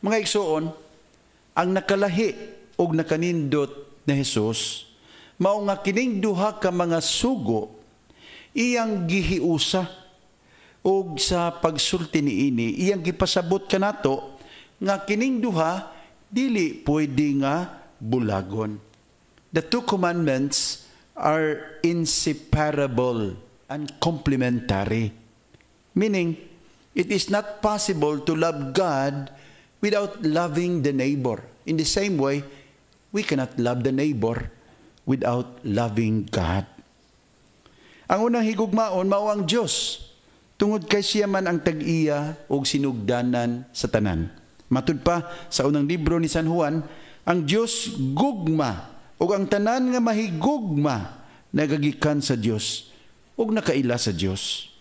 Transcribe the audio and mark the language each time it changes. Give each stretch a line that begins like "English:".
Cebuano: Mga igsuon, ang nakalahi og nakanindot na Jesus mao nga kining duha ka mga sugo iyang gihiusa. Og sa pagsulti niini, iyang gipasabot kanato nga kining duha dili pwede nga bulagon.
English: The two commandments are inseparable and complementary, meaning it is not possible to love God without loving the neighbor. In the same way, we cannot love the neighbor without loving God.
Cebuano: Ang unang higugmaon mao ang Diyos. Tungod kay siya man ang tag-iya o sinugdanan sa tanan. Matud pa sa unang libro ni San Juan, ang Diyos gugma o ang tanan nga mahigugma nagagikan sa Diyos o nakaila sa Diyos.